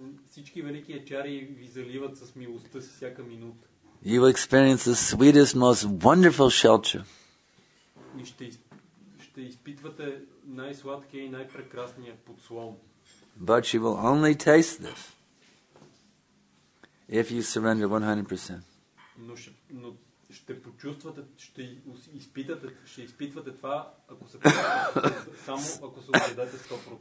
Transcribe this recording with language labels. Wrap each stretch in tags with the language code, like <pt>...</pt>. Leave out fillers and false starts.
<bg>Всички велики ачари ви заливат с милостта си всяка минута.</bg> <en>You will experience the sweetest, most wonderful shelter.</en> <bg>И ще изпитвате най-сладкия и най-прекрасния подслон.</bg> <en>But you will only taste this if you surrender 100%.</en> <bg>Но ще почувствате, ще изпитвате това, ако се предадете, само ако се отдадете 100%.</bg>